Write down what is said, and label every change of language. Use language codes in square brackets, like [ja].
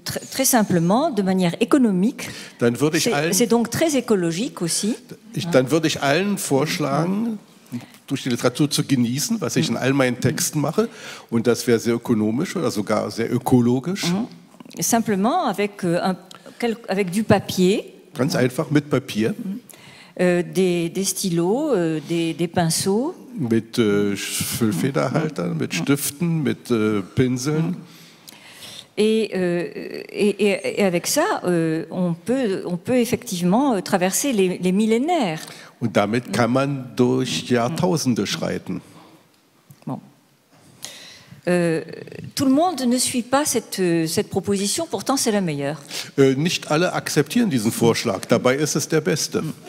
[fr] Très simplement, de manière économique. [de] Dann würde ich allen, [fr] c'est donc très écologique aussi. [de] Dann würde ich allen vorschlagen, durch die Literatur zu genießen, was ich in all meinen Texten mache, und das wäre sehr ökonomisch oder sogar sehr ökologisch. [fr] Simplement avec du papier. [de] Ganz einfach mit Papier. [fr] Des stylos, des pinceaux. [de] Mit Füllfederhaltern, mit Stiften, mit Pinseln. [fr] Et avec ça, on peut effectivement traverser les millénaires. [de] Und damit kann man durch Jahrtausende schreiten. [fr] Bon. Tout le monde ne suit pas cette proposition, pourtant c'est la meilleure. [de] Nicht alle akzeptieren diesen Vorschlag, dabei ist es der beste.